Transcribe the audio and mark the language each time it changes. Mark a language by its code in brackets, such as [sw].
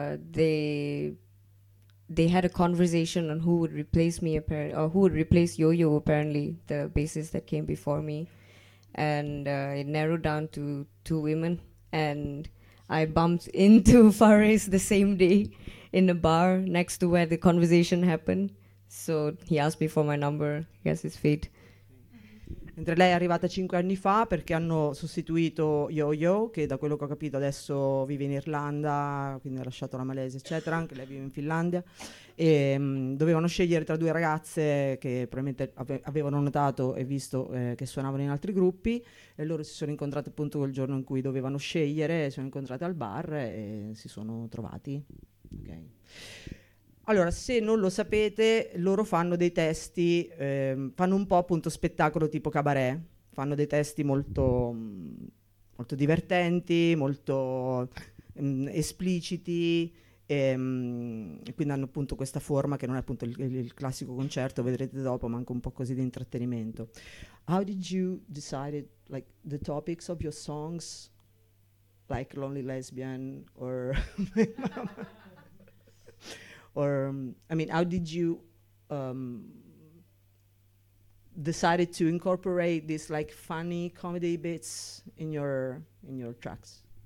[en] They had a conversation on who would replace me, who would replace Yo-Yo, apparently, the bassist that came before me. And it narrowed down to 2 women. And I bumped into Fares the same day in a bar next to where the conversation happened. So he asked me for my number, I guess it's fate. [it] Mentre lei è arrivata 5 anni fa perché hanno sostituito Yo-Yo, che da quello che ho capito adesso vive in Irlanda, quindi ha lasciato la Malesia, eccetera, anche lei vive in Finlandia, e dovevano scegliere tra 2 ragazze che probabilmente avevano notato e visto che suonavano in altri gruppi, e loro si sono incontrate appunto quel giorno in cui dovevano scegliere, si sono incontrate al bar e si sono trovati. Ok. Allora, se non lo sapete, loro fanno dei testi, fanno un po' appunto spettacolo tipo cabaret, fanno dei testi molto, molto divertenti, molto espliciti, e quindi hanno appunto questa forma che non è appunto il classico concerto, vedrete dopo, ma anche un po' così di intrattenimento. [en] How did you decide like the topics of your songs, like Lonely Lesbian or... Or I mean, how did you decided to incorporate this like funny comedy bits in your tracks?